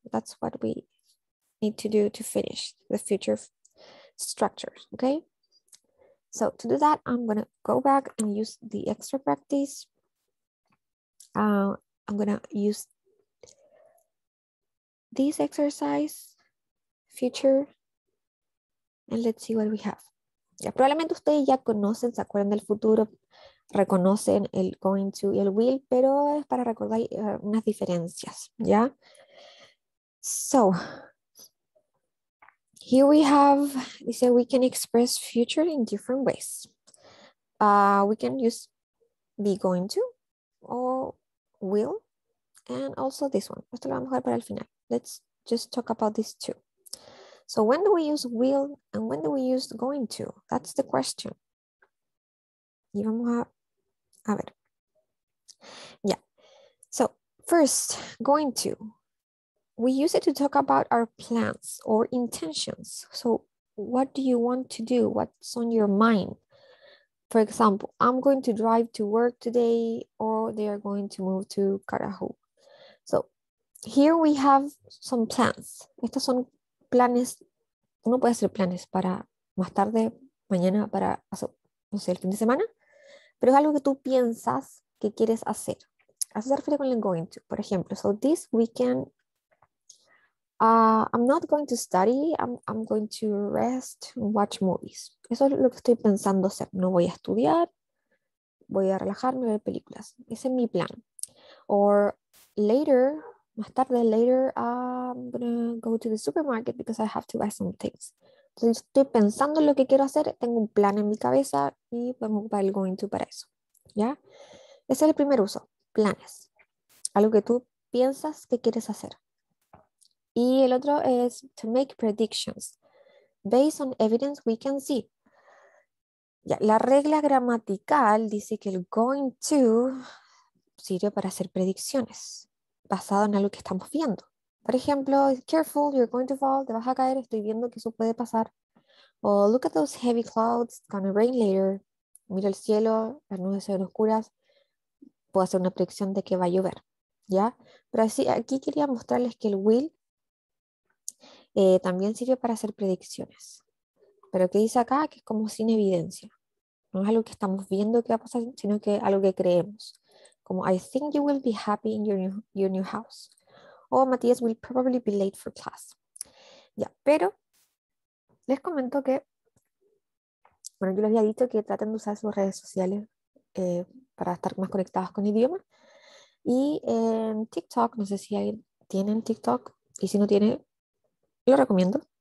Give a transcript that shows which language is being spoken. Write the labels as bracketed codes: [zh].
[en] That's what we need to do to finish the future structures, okay? So to do that, I'm gonna go back and use the extra practice. I'm gonna use this exercise, future, and let's see what we have. [es] Yeah, probablemente ustedes ya conocen, se acuerdan del futuro, reconocen el going to y el will, pero es para recordar unas diferencias, ¿ya? [en] So, here we have, we say we can express future in different ways. We can use be going to or will, and also this one. [es] Esto lo vamos a dejar para el final. [en] Let's just talk about these two. So when do we use will and when do we use going to? That's the question. [es] Y vamos a ver. Yeah. [en] So first, going to. We use it to talk about our plans or intentions. So what do you want to do? What's on your mind? For example, I'm going to drive to work today or they are going to move to Carajo. So here we have some plans. [es] Estos son planes, uno puede hacer planes para más tarde, mañana, para, no sé, el fin de semana, pero es algo que tú piensas que quieres hacer. A eso se refiere con el going to, por ejemplo. [en] So this weekend, I'm not going to study, I'm going to rest and watch movies. [es] Eso es lo que estoy pensando hacer. No voy a estudiar, voy a relajarme, ver películas. Ese es mi plan. [en] Or later, [es] más tarde, [en] later, I'm gonna go to the supermarket because I have to buy some things. [es] Entonces, estoy pensando en lo que quiero hacer, tengo un plan en mi cabeza y podemos ocupar el going to para eso. ¿Ya? Ese es el primer uso, planes. Algo que tú piensas que quieres hacer. [en] Y el otro es to make predictions. Based on evidence we can see. [es] Ya, la regla gramatical dice que el going to sirve para hacer predicciones basado en algo que estamos viendo. Por ejemplo, [en] careful, you're going to fall, [es] te vas a caer, estoy viendo que eso puede pasar. [en] O look at those heavy clouds, it's gonna rain later. [es] Mira el cielo, las nubes se ven oscuras. Puedo hacer una predicción de que va a llover. ¿Ya? Pero así, aquí quería mostrarles que el will también sirve para hacer predicciones. Pero que dice acá que es como sin evidencia. No es algo que estamos viendo que va a pasar, sino que algo que creemos. [en] Como, I think you will be happy in your new house. O Matías will probably be late for class. [es] Ya, pero les comento que, bueno, yo les había dicho que traten de usar sus redes sociales para estar más conectados con el idioma. Y en TikTok, no sé si alguien tiene TikTok, y si no tiene, lo recomiendo.